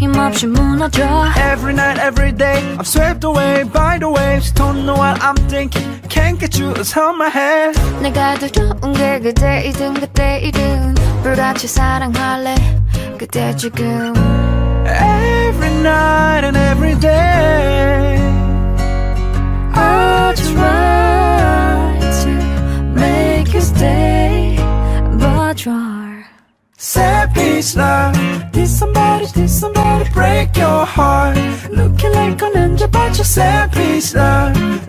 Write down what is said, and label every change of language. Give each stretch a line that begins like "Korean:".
English: Every night, every day, I'm swept away by the waves. Don't know what I'm thinking. Can't get you out of my head.
Korean: 내가 두려운 게 그대이든 그대이든 불같이 사랑할래 그대 지금.
English: Every night and every day I try to make you stay. But you're savage love. Did somebody break your heart? Looking like an angel, but you're savage love.